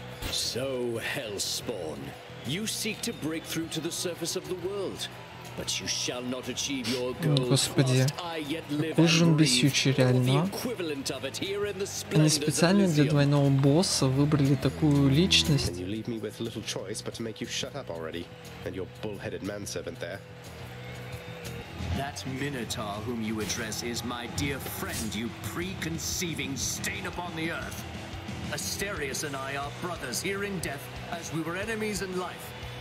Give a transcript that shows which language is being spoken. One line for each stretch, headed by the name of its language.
English: So, Hellspawn, you seek to break through to the surface of the world, but you shall not achieve your goal.
Russian: Господи, какой же он бесючий, реально. Они специально для двойного босса выбрали такую личность.
English: You leave me with little choice but to make you shut up already, and your bull-headed manservant there. That Minotaur whom you address is my dear friend, you preconceiving stain upon the earth. Asterius and I are brothers here in death, as we were enemies in life.